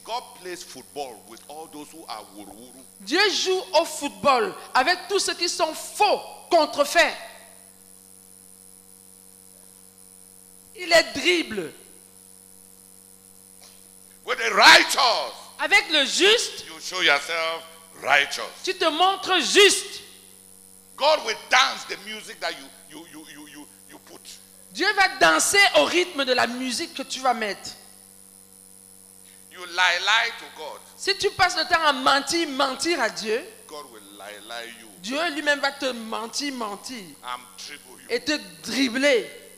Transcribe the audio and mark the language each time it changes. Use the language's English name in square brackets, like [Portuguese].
[English] God plays football with all those who are wuru-wuru. [French] Dieu joue au football avec tous ceux qui sont faux, contrefaits. Il est dribble. [English] With the righteous, [French] avec le juste, [English] you show yourself righteous. [French] Tu te montres juste. [English] God will dance the music that you put. [French] Dieu va danser au rythme de la musique que tu vas mettre. [English] lie, lie to God. [French] Si tu passes le temps à mentir, mentir à Dieu, [English] God will lie, lie you. [French] Dieu lui-même va te mentir, mentir. [English] And dribble you. [French] Et te dribbler.